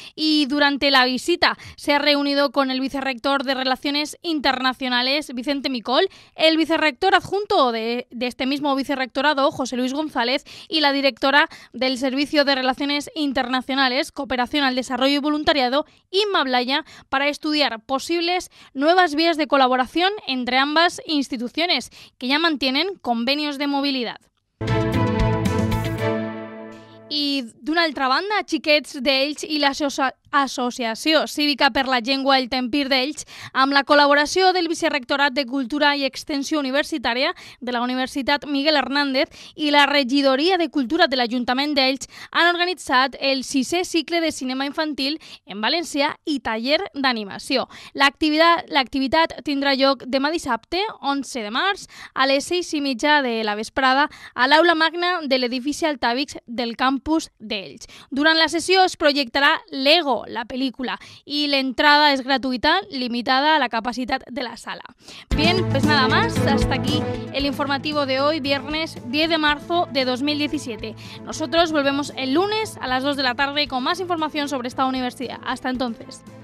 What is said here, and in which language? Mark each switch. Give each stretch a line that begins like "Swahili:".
Spanish: y durante la visita se ha reunido con el vicerrector de Relaciones Internacionales, Vicente Micol, el vicerrector adjunto de este mismo vicerrector, José Luis González, y la directora del Servicio de Relaciones Internacionales, Cooperación al Desarrollo y Voluntariado, Inma Blaya, para estudiar posibles nuevas vías de colaboración entre ambas instituciones, que ya mantienen convenios de movilidad.
Catalan: I d'una altra banda, Xiquets d'Elx i l'Associació Cívica per la Llengua El Tempir d'Elx, amb la col·laboració del Vicerrectorat de Cultura i Extensió Universitària de la Universitat Miguel Hernández i la Regidoria de Cultura de l'Ajuntament d'Elx, han organitzat el 6è cicle de cinema infantil en València i taller d'animació. L'activitat tindrà lloc demà dissabte, 11 de març, a les 6:30 de la vesprada, a l'aula magna de l'edifici Altavix del campus d'Elx. Durant la sessió es projectarà Lego, la pel·lícula, i l'entrada és gratuïta, limitada a la capacitat de la sala.
Spanish: Bien, pues nada más, hasta aquí el informativo de hoy, viernes 10 de marzo de 2017. Nosotros volvemos el lunes a las 2 de la tarde con más información sobre esta universidad. Hasta entonces.